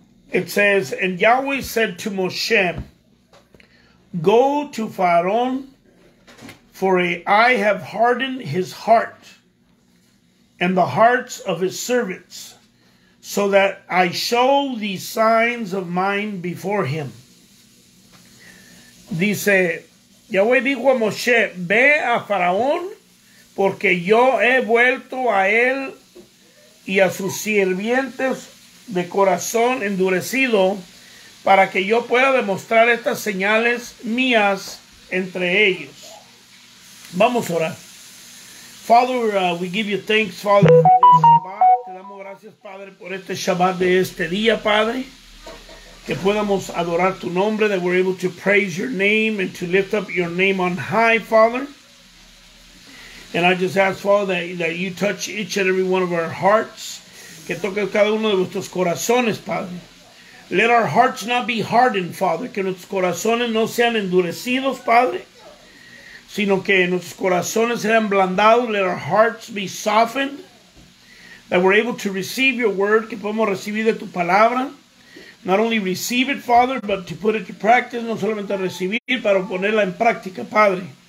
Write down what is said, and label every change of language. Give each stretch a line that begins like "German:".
English: It says, and Yahweh said to Moshe, go to Pharaoh, for I have hardened his heart and the hearts of his servants, so that I show these signs of mine before him.
Spanish: Dice, Yahweh dijo a Moshe, ve a Faraón, porque yo he vuelto a él y a sus sirvientes de corazón endurecido, para que yo pueda demostrar estas señales mías entre ellos. Vamos ahora.
English: Father, we give you thanks, Father, for this Shabbat.
Spanish: Te damos gracias, Padre, por este Shabbat de este día, Padre. Que podamos adorar tu nombre,
English: that we're able to praise your name and to lift up your name on high, Father. And I just ask, Father, that you touch each and every one of our hearts.
Spanish: Que toque cada uno de vuestros corazones, Padre.
English: Let our hearts not be hardened, Father.
Spanish: Que nuestros corazones no sean endurecidos, Padre. Sino que nuestros corazones sean blandados,
English: let our hearts be softened, that we're able to receive your word,
Spanish: que podemos recibir de tu palabra,
English: not only receive it, Father, but to put it to practice,
Spanish: no solamente recibir, pero ponerla en práctica, Padre.